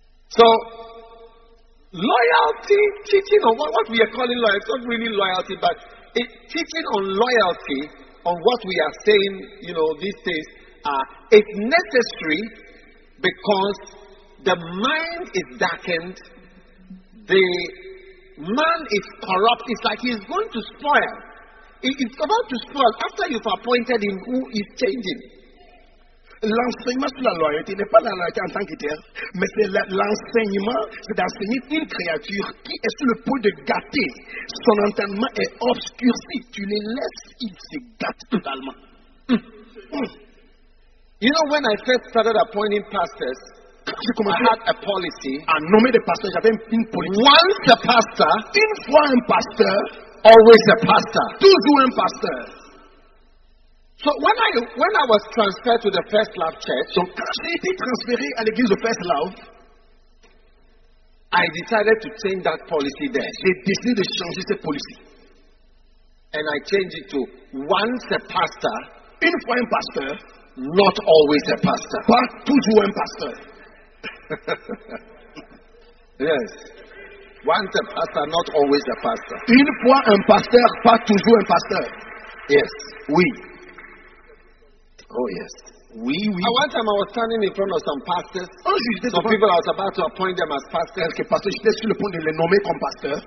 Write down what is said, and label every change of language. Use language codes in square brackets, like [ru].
[en] So, loyalty, teaching on what we are calling loyalty, it's not really loyalty, but it, teaching on loyalty, on what we are saying, you know, these things, is necessary because the mind is darkened, the man is corrupt, it's like he's going to spoil. It's about to spoil after you've appointed him who is changing. [fr] L'enseignement sur la loyauté n'est pas la loyauté en tant que terre, mais c'est l'enseignement, c'est d'enseigner une créature qui est sur le point de gâter. Son entendement est obscurci. Tu les laisses, ils se gâtent totalement. [en] You know, when I first started appointing pastors, I had a policy. [fr] À nommer des pasteurs, j'avais une politique. [en] Once a pastor, [fr] une fois un pasteur, [en] always a pastor, [fr] toujours un pasteur. [en] So when I was transferred to the First Love Church, [fr] donc quand j'ai été transféré à l'église de First Love, [en] I decided to change that policy there. [fr] J'ai décidé de changer cette politique. [en] And I changed it to once a pastor, [fr] une fois un pasteur, [en] not always a pastor, [fr] pas toujours un pasteur. [en] Yes. Once a pastor, not always a pastor. [fr] Une fois un pasteur, pas toujours un pasteur. [en] Yes. [fr] Oui. [en] Oh yes. [fr] Oui, oui. [en] One time I was standing in front of some pastors. Oh, some people I was about to appoint them as pastors. [fr] Que pasteur, j'étais sur le point de les nommer comme pasteur.